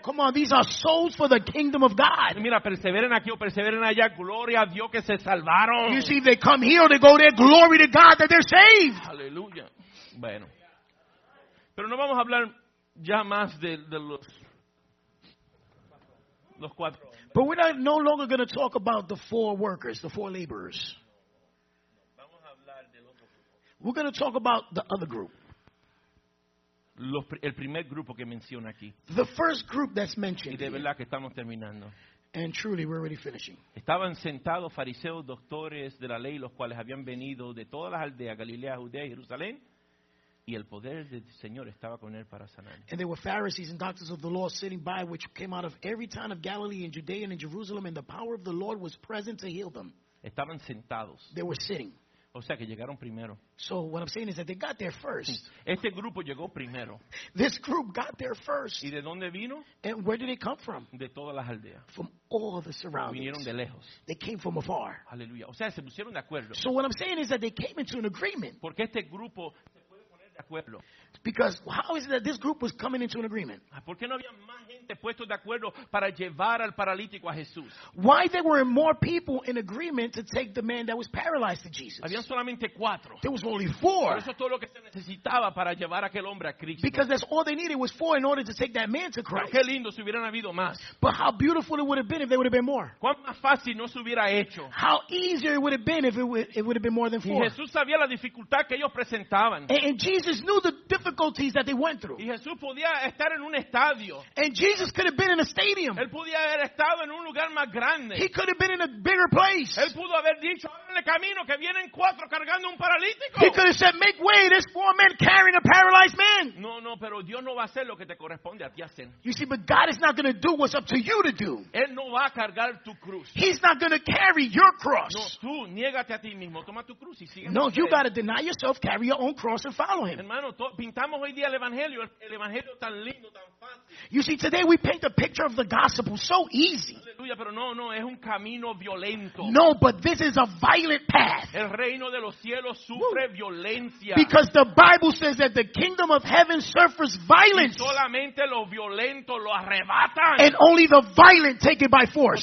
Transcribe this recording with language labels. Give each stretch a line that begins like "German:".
English: come on, these are souls for the kingdom of God.
Spanish: Mira, perseveren aquí o perseveren allá, gloria a Dios que se salvaron.
English: You see, they come here or they go there, glory to God that they're saved.
Spanish: Aleluya. Bueno. Pero no vamos a hablar ya más de los cuatro.
English: But we're not no longer going to talk about the four workers, the four laborers.
Spanish: Vamos a hablar del otro.
English: We're going to talk about the other group.
Spanish: El primer grupo que menciona aquí.
English: The first group that's mentioned.
Spanish: Y de verdad que estamos terminando.
English: And truly we're already finishing.
Spanish: Estaban sentados fariseos, doctores de la ley, los cuales habían venido de todas las aldeas, Galilea, Judea y Jerusalén, y el poder del Señor estaba con él para sanar.
English: And there were Pharisees and doctors of the law sitting by, which came out of every town of Galilee and Judea and in Jerusalem, and the power of the Lord was present to heal them.
Spanish: Estaban sentados.
English: They were sitting.
Spanish: O sea que llegaron primero.
English: So what I'm saying is that they got there first.
Spanish: Este grupo llegó primero.
English: This group got there first.
Spanish: ¿Y de dónde vino?
English: And where did they come from?
Spanish: De todas las aldeas.
English: From all the surroundings.
Spanish: Vinieron de lejos.
English: They came from afar.
Spanish: Aleluya. O sea, se pusieron de acuerdo.
English: So what I'm saying is that they came into an agreement.
Spanish: Porque este grupo se puede poner de acuerdo.
English: Because how is it that this group was coming into an agreement?
Spanish: ¿Por qué no había más gente puesto de acuerdo para llevar al paralítico a Jesús?
English: Why there were more people in agreement to take the man that was paralyzed to Jesus?
Spanish: Habían solamente cuatro.
English: There was only four.
Spanish: Por eso todo lo que se necesitaba para llevar aquel hombre a Cristo.
English: Because that's all they needed was four in order to take that man to Christ.
Spanish: Pero qué lindo si hubieran habido más.
English: But how beautiful it would have been if there would have been more.
Spanish: ¿Cuán más fácil no se hubiera hecho?
English: How easier it would have been if it would have been more than four.
Spanish: Y Jesús sabía la dificultad que ellos presentaban.
English: And Jesus knew the difficulties that they went through.
Spanish: Y Jesús podía estar en un estadio.
English: And Jesus could have been in a stadium.
Spanish: Él podía haber estado en un lugar más grande.
English: He could have been in a bigger place.
Spanish: Él pudo haber dicho, "Ábrele camino que vienen cuatro cargando un paralítico."
English: He could have said, "Make way, there's four men carrying a paralyzed man."
Spanish: No, pero Dios no va a hacer lo que te corresponde a ti hacer.
English: You see, but God is not going to do what's up to you to do.
Spanish: Él no va a cargar tu cruz.
English: He's not going to carry your cross.
Spanish: No, tú niégate a ti mismo, toma tu cruz y sigue.
English: No, you got to deny yourself, carry your own cross and follow him.
Spanish: Hermano, pintamos hoy día el evangelio tan lindo, tan fácil.
English: You see, today we paint the picture of the gospel so easy.
Spanish: Aleluya, pero no, no, es un camino violento.
English: No, but this is a violent path.
Spanish: El reino de los cielos sufre violencia.
English: Because the Bible says that the kingdom of heaven suffers violence.
Spanish: Y solamente lo violento lo arrebatan.
English: And only the violent take it by force.